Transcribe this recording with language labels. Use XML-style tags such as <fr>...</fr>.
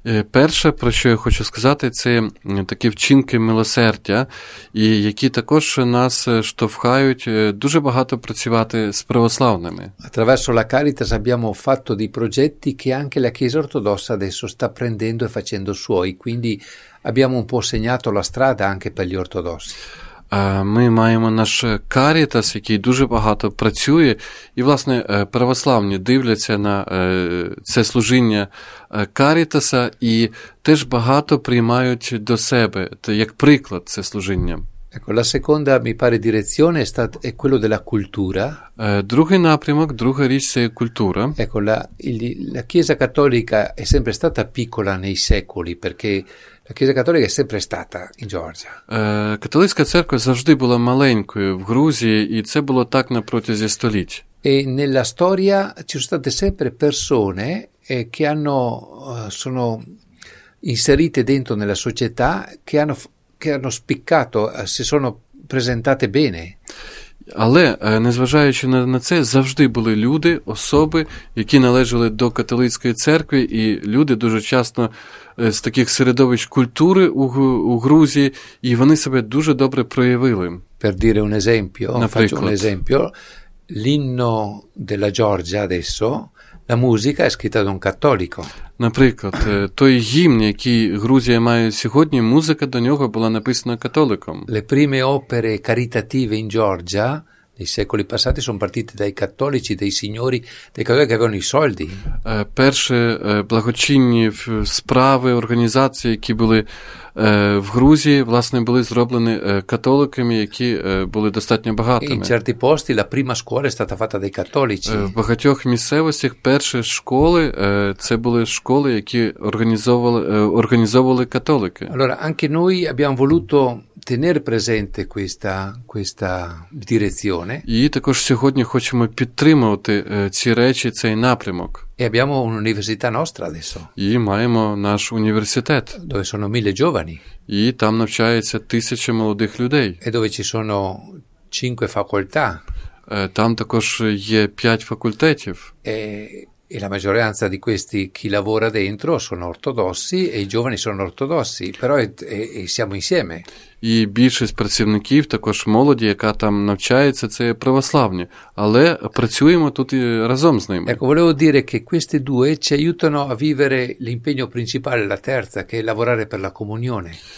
<uk>Перше, про що я хочу сказати, це такі вчинки милосердя, і які також нас штовхають дуже багато працювати з православними.</uk> <it>Attraverso la Caritas abbiamo fatto dei progetti che anche la Chiesa Ortodossa adesso sta prendendo e facendo suoi, quindi abbiamo un po' segnato la strada anche per gli ortodossi.</it> <uk>Ми маємо наш Caritas, який дуже багато працює, і, власне, православні дивляться на це служіння Caritas'а і теж багато приймають до себе, як приклад це служіння.</uk> <it>Ecco, la seconda, mi pare, direzione è quello della cultura.</it> <uk>Другий напрямок, друга річ – це культура.</uk> <it>Ecco, la Chiesa Cattolica è sempre stata piccola nei secoli, perché la Chiesa Cattolica è sempre stata in Georgia.</it> <uk>Католицька церква завжди була маленькою в Грузії, і це було так на протязі століть.</uk> <it>E nella storia ci sono state sempre persone che sono inserite dentro nella società, che hanno spiccato, si sono presentate bene.</it> <uk>Але, незважаючи на це, завжди були люди, особи, які належали до католицької церкви, і люди дуже часто з таких середовищ культури у Грузії, і вони себе дуже добре проявили.</uk> <it>Per dire un esempio, faccio un esempio, l'inno della Georgia adesso, la musica è scritta da un cattolico.</it> <uk>Наприклад, той гімн, який Грузія має сьогодні, музика до нього була написана католиком.</uk> <it>Le prime opere caritative in Georgia nei secoli passati sono partite dai cattolici, dai signori, dai coloro che avevano i soldi.</it> <uk>Перші благочинні справи, організації, які були в Грузії, власне, були зроблені католиками, які були достатньо багатими.</uk> <it>In certi posti la prima scuola è stata fatta dai cattolici.</it> <uk>В багатьох місцевостях перші школи, це були школи, які організовували католики.</uk> <it>Allora, anche noi abbiamo voluto tenere presente questa direzione.</it> <uk>І також сьогодні хочемо підтримувати ці речі, цей напрямок.</uk> <it>E abbiamo un'università nostra adesso.</it> <uk>І маємо наш університет.</uk> <it>Dove sono 1000 giovani.</it> <uk>І там навчається 1000 молодих людей.</uk> <it>E dove ci sono 5 facoltà.</it> <uk>Там також є 5 факультетів.</uk> <it>E la maggioranza di questi chi lavora dentro sono ortodossi e i giovani sono ortodossi, però e siamo insieme.</it> <uk>І більшість працівників, також молоді, яка там навчається, це православні, але працюємо тут і разом з ними.</uk> <it>Ecco, volevo dire che questi due ci aiutano a vivere l'impegno principale, la terza, che è lavorare per la comunione.</it>